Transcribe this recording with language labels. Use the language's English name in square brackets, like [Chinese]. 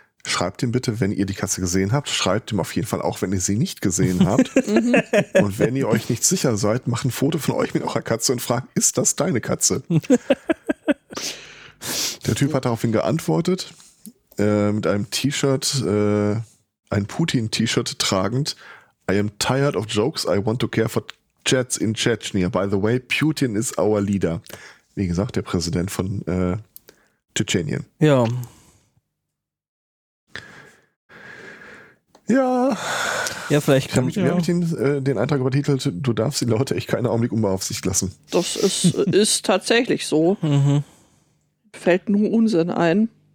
[German] Schreibt ihm bitte, wenn ihr die Katze gesehen habt, schreibt ihm auf jeden Fall auch, wenn ihr sie nicht gesehen habt. Und wenn ihr euch nicht sicher seid, macht ein Foto von euch mit eurer Katze und fragt, ist das deine Katze? Der Typ hat daraufhin geantwortet, mit einem T-Shirt, ein Putin-T-Shirt tragend. [English] I am tired of jokes, I want to care for chats in Chechnya. By the way, Putin is our leader. [German] Wie gesagt, der Präsident von Tschetschenien. Ja. Ja. Ja, vielleicht kann ich. Wie habe ich den Eintrag übertitelt? Du darfst die Leute echt keinen Augenblick unbeaufsichtigt lassen. Das ist tatsächlich so. Mhm. Fällt nur Unsinn ein.